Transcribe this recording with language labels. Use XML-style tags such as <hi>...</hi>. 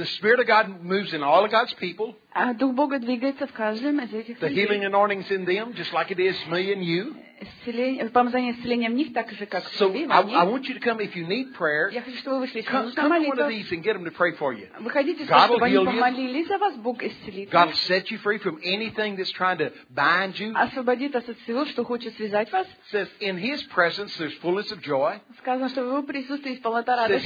<en>The Spirit of God moves in all of God's people.</en> <ru>А Дух Бога двигается в каждом из этих людей.</ru> <en>The healing anointing's in them, just like it is me and you.</en> <ru>Помазание исцеления в них так же, как в тебе.</ru> <en>So I want you to come if you need prayer.</en> <ru>Я хочу, чтобы вы вышли.</ru> <en>Come to one of these and get them to pray for you.</en> <ru>Выходите, чтобы они помолились за вас, Бог исцелит.</ru> <en>God will set you free from anything that's trying to bind you.</en> <ru>Освободит вас от всего, что хочет связать вас.</ru> <en>Says in His presence there's fullness of joy.</en> <ru>Сказано, что в Его присутствии есть полнота радости.</ru>